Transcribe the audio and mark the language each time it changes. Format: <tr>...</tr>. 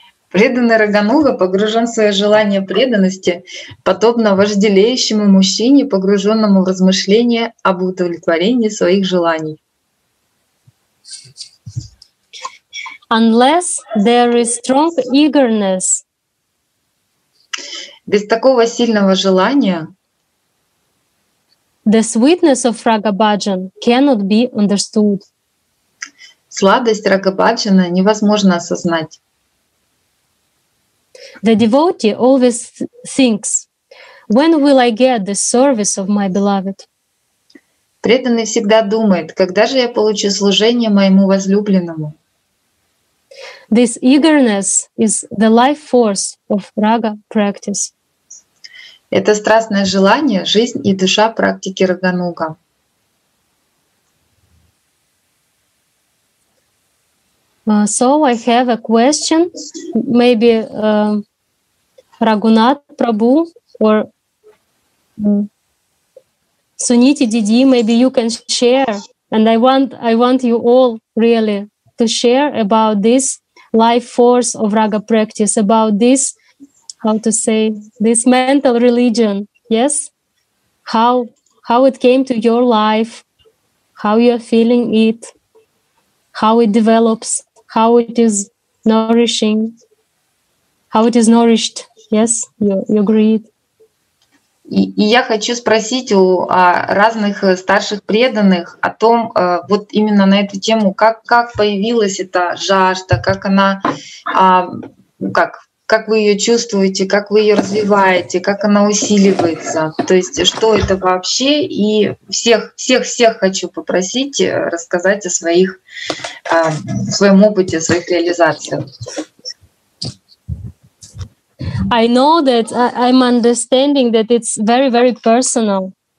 <ru>Преданный Рагануга погружен в свое желание преданности, подобно вожделеющему мужчине, погруженному в размышления об удовлетворении своих желаний.</ru> <en>Unless there is strong eagerness.</en> <ru>Без такого сильного желания</ru> <en>the sweetness of Raga Bhajan cannot be understood.</en> <ru>Сладость Рага Бхаджана невозможно осознать.</ru> <en>The devotee always thinks, when will I get the service of my beloved?</en> <ru>Преданный всегда думает, когда же я получу служение моему возлюбленному?</ru> <en>This eagerness is the life force of Raga practice.</en> <ru>Это страстное желание, жизнь и душа практики Рагануга.</ru> <en>So I have a question. Maybe Raghunath Prabhu or Suniti Didi, maybe you can share. And I want you all really to share about this life force of raga practice, about this, how to say, this mental religion. Yes? How it came to your life, how you're feeling it, how it develops, how it is nourishing, how it is nourished, yes, your greed.</en> <ru>И я хочу спросить у разных старших преданных о том, вот именно на эту тему, как появилась эта жажда, как она, как вы ее чувствуете, как вы ее развиваете, как она усиливается, то есть что это вообще, и всех хочу попросить рассказать о своих, своем опыте, о своих реализациях.</ru> <en>I know that I'm understanding that it's very, very personal.</en>